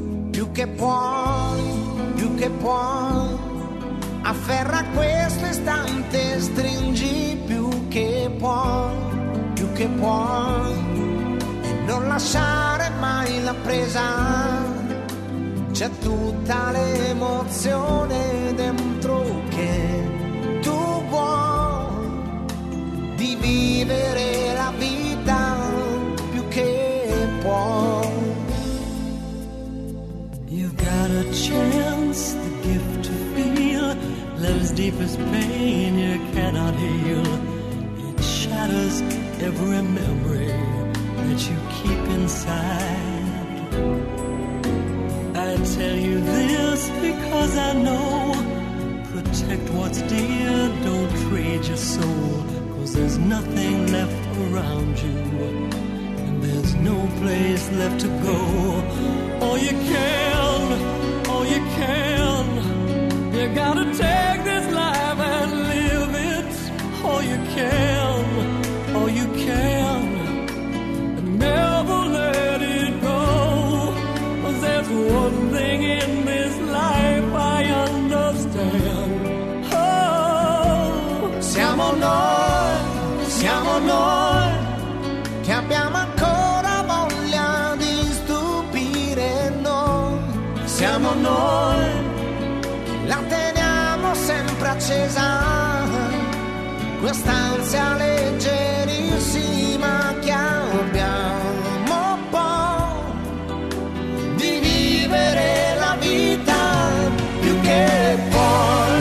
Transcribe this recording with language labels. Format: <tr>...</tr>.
<it>Più che puoi, afferra questo istante, stringi più che puoi, e non lasciare mai la presa, c'è tutta l'emozione dentro che tu vuoi, di vivere la vita più che puoi.</it> <en>A chance, the gift to feel love's deepest pain you cannot heal. It shatters every memory that you keep inside. I tell you this because I know. Protect what's dear, don't trade your soul, 'cause there's nothing left around you and there's no place left to go. All you can, you can, you gotta take this life and live it. All you can, and never let it go. There's one thing in this life I understand.</en> <it>Oh, siamo noi, siamo noi, che abbiamo ancora voglia di stupire noi. Siamo noi. La teniamo sempre accesa, quest'ansia leggerissima che abbiamo un po' di vivere la vita più che puoi.</it>